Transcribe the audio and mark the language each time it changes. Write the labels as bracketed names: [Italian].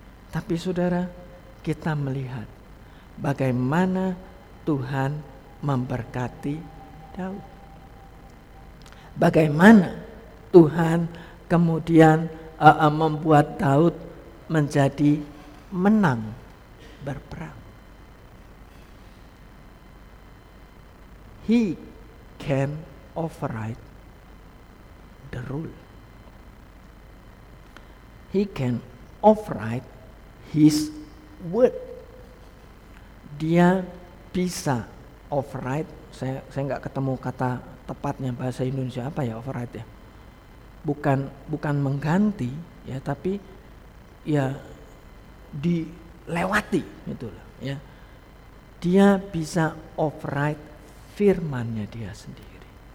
[Indonesian] Tapi saudara, kita melihat bagaimana Tuhan memberkati Daud. Bagaimana Tuhan kemudian membuat Daud menjadi menang berperang. [English] He can override the rule. He can override his word. [Indonesian] Dia bisa override. Saya enggak ketemu kata tepatnya bahasa Indonesia apa ya override ya. Bukan mengganti ya, tapi ya dilewati itulah ya. Dia bisa override firman-Nya dia sendiri.